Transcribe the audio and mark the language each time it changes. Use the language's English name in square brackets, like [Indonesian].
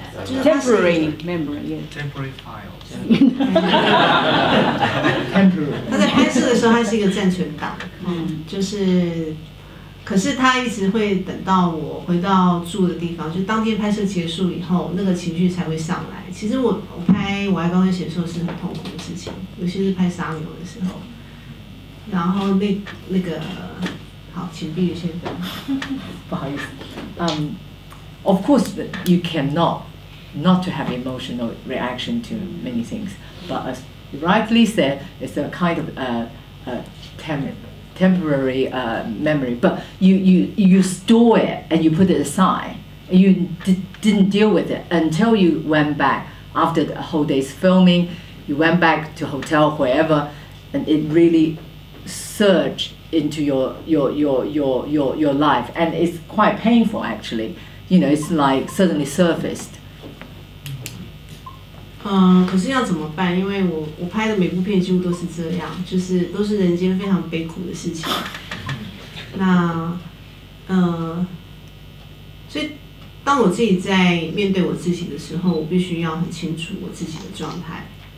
[English] Temporary files. [Chinese] 好，请闭一些灯。不好意思。 [English] Of course, you cannot not to have emotional reaction to many things. But as you rightly said, it's a kind of temporary memory. But you store it and you put it aside. You didn't deal with it until you went back after the whole day's filming. You went back to hotel, wherever, and it really surged into your life, and it's quite painful actually. You know, it's like suddenly surfaced. [Chinese] 可是要怎么办？因为我拍的每部片几乎都是这样，就是都是人间非常悲苦的事情。那所以当我自己在面对我自己的时候，我必须要很清楚我自己的状态。